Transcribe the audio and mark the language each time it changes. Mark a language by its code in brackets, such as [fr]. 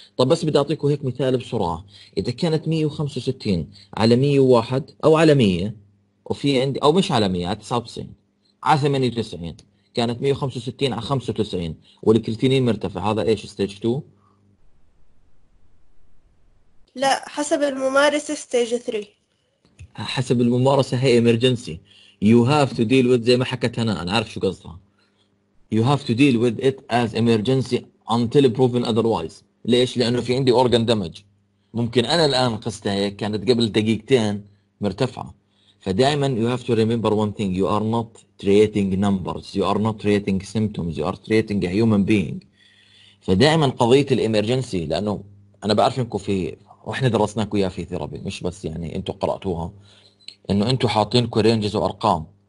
[ar] طب بس بدي اعطيكم هيك مثال بسرعه، اذا كانت 165 على 101 او على 100، وفي عندي او مش على 100 على 99 على 98، كانت 165 على 95 والكريتينين مرتفع، هذا ايش ستيج 2؟ لا حسب الممارسه ستيج 3. حسب الممارسه هي ايمرجنسي، [en] you have to deal with, [ar] زي ما حكت هنا انا عارف شو قصدها. [en] You have to deal with it as emergency until proven otherwise. [ar] ليش؟ لأنه في عندي organ damage. ممكن أنا الآن قستها هيك كانت قبل دقيقتين مرتفعة. [en] فدائما you have to remember one thing. You are not treating numbers. You are not treating symptoms. You are treating a human being. [ar] فدائما قضية الإمرجنسي، لأنه أنا بعرف إنكم في، وإحنا درسناكوا إياها في ثيرابي، مش بس يعني أنتوا قرأتوها، إنه أنتوا حاطينكوا رينجز وأرقام.